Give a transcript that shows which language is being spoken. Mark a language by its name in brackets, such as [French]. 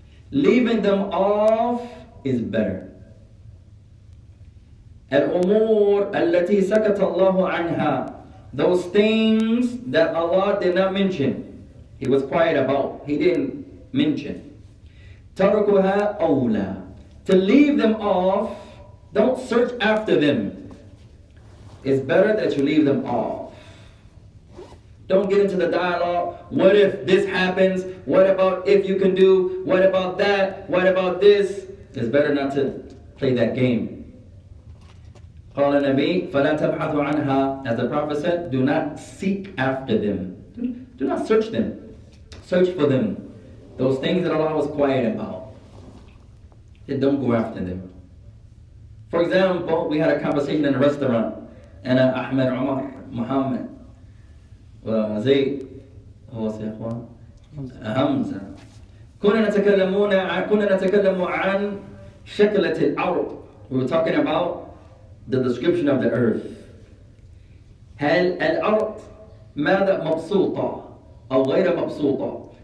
[English] Leaving them off is better. [Arabic] الأمور التي سكت الله عنها. [English] Those things that Allah did not mention. He was quiet about. He didn't mention. [Arabic] تركها أولى. [English] To leave them off, don't search after them. It's better that you leave them off. Don't get into the dialogue. What if this happens? What about if you can do? What about that? What about this? It's better not to play that game. [Arabic] قال النبي فلا تبحثوا عنها. [English] As the Prophet said, do not seek after them. Do not search them. Search for them. Those things that Allah was quiet about. Then don't go after them. For example, we had a conversation in a restaurant. And Ahmed, Omar, Muhammad, Zayd, who was the other one? [Arabic] Hamza. كنا نتكلم عن شكلة الأرض. [English] We were talking about the description of the earth. [Arabic] هل الأرض ماذا مبسوطة أو غير مبسوطة?